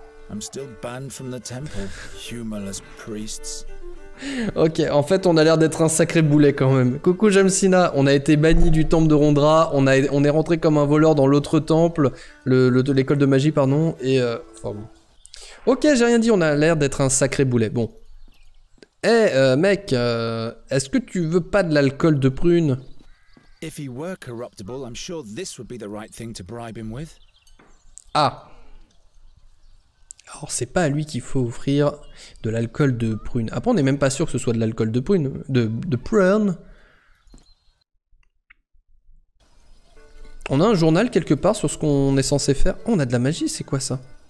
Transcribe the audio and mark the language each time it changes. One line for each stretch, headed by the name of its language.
English: I'm still banned from the temple, humorless priests.
French: Ok, en fait, on a l'air d'être un sacré boulet quand même. Coucou Jamsina, on a été banni du temple de Rondra, on est rentré comme un voleur dans l'autre temple, l'école de magie, pardon, et... Ok, j'ai rien dit, on a l'air d'être un sacré boulet, bon. Eh, mec, est-ce que tu veux pas de l'alcool de prune?
English: If he were corruptible, I'm sure this would be the right thing to bribe him with. Ah.
French: Alors, c'est pas à lui qu'il faut offrir de l'alcool de prune. Après, on n'est même pas sûr que ce soit de l'alcool de prune. De prune. On a un journal quelque part sur ce qu'on est censé faire. Oh, on a de la magie, c'est quoi ça?